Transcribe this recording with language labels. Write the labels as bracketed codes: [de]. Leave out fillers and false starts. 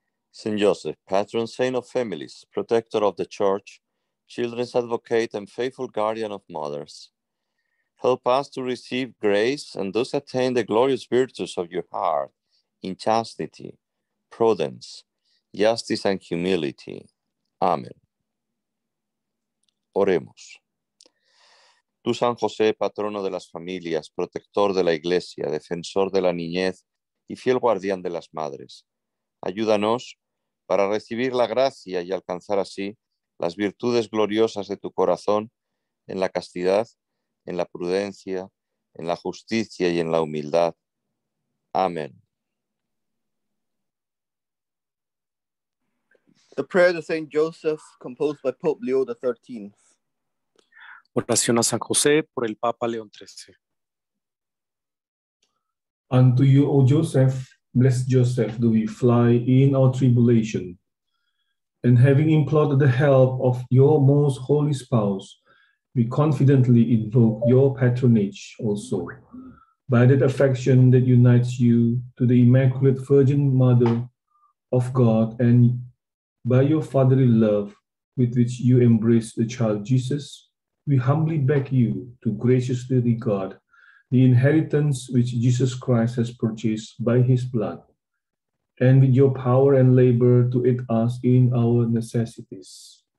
[en] Saint Joseph, patron saint of families, protector of the church, children's advocate, and faithful guardian of mothers, help us to receive grace and thus attain the glorious virtues of your heart in chastity, prudence, justice, and humility. [es] Amen. Oremos. Tú, San José, patrono de las familias, protector de la iglesia, defensor de la niñez, y fiel guardián de las madres, ayúdanos para recibir la gracia y alcanzar así las virtudes gloriosas de tu corazón en la castidad, en la prudencia, en la justicia y en la humildad. Amén. [en] The prayer to Saint Joseph, composed by Pope Leo XIII. [es] Oración a San José por el Papa León XIII. [en] Unto you, O Joseph, blessed Joseph, do we fly in our tribulation. And having implored the help of your most holy spouse, we confidently invoke your patronage also. By that affection that unites you to the Immaculate Virgin Mother of God, and by your fatherly love with which you embrace the child Jesus, we humbly beg you to graciously regard the inheritance which Jesus Christ has purchased by his blood, and with your power and labor to aid us in our necessities.